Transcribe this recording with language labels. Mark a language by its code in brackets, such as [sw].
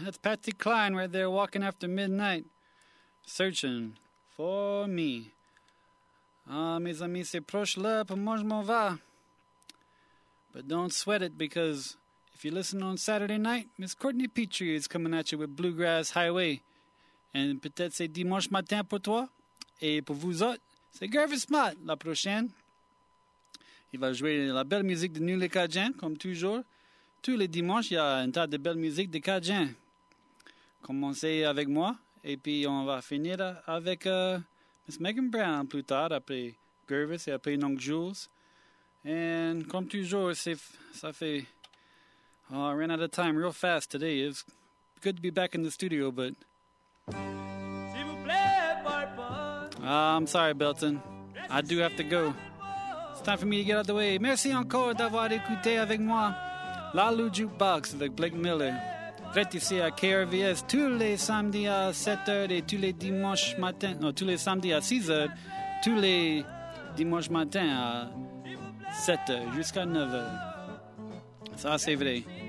[en] That's Patsy Cline right there, walking after midnight, searching for me. [fr] Mes amis, c'est proche là, pour moi je m'en vais. [en] But don't sweat it, because if you listen on Saturday night, Miss Courtney Petrie is coming at you with Bluegrass Highway. [fr] And peut-être c'est dimanche matin pour toi, et pour vous autres, c'est Gervais Smart la prochaine. Il va jouer la belle musique de New Les Cajuns, comme toujours. Tous les dimanches, il y a un tas de belles musiques de Cajun. Commencez avec moi, et puis on va finir avec Miss Megan Brown plus tard, après Gervais, c'est appelé Nong Jules. And comme toujours, ça fait... [en] I ran out of time real fast today. It's good to be back in the studio, but... [fr] S'il vous plaît, Barbara. [en] I'm sorry, Belton. I do have to go. It's time for me to get out of the way. [fr] Merci encore d'avoir écouté avec moi. La Lou Jukebox avec Blake Miller. Faites ici à KRVS tous les samedis à 7h et tous les dimanches matin. Non, tous les samedis à 6h. Tous les dimanches matin à 7h jusqu'à 9h. Ça, c'est vrai.